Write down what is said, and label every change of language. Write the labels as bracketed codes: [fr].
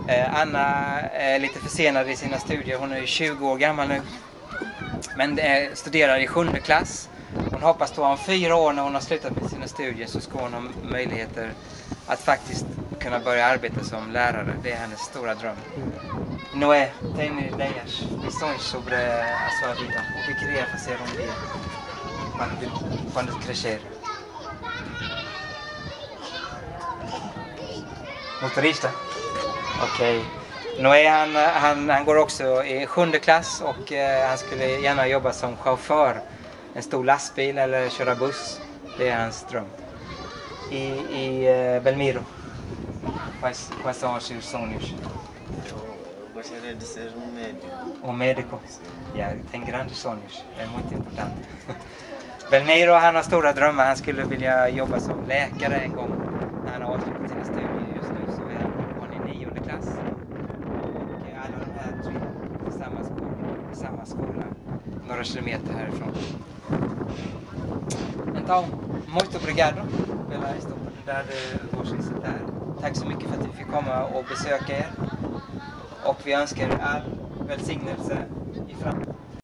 [sv] Anna är lite försenad i sina studier. Hon är 20 år gammal nu. Men studerar i 7:e klass. Hon hoppas då om 4 år när hon har slutat med sina studier så ska hon ha möjligheter att faktiskt kunna börja arbeta som lärare. Det är hennes stora dröm. [pt] Noé, tem ideias, missões sobre a sua vida? O que queria fazer dia quando crescer? Motorista? Ok. [sv] Noé, han går också i 7:e klass och han skulle gärna jobba som chaufför. En stor lastbil eller köra buss. Det är hans dröm. I Belmiro. [pt] Quais são os seus sonhos? Eu gostaria de ser um médico. Um médico? Yeah, tem grandes sonhos. É muito importante. [sv] Belmiro, han har stora drömmar. Han skulle vilja jobba som läkare en gång. Han har avslutat sina studier just nu. Så är han i 9:e klass. Och alla de här tre på samma skola. På samma skola. Några kilometer härifrån. [pt] Então, muito obrigado pela oportunidade de vocês estar. [sv] Tack så mycket för att vi fick komma och besöka er. Och vi önskar er all välsignelse i framtiden.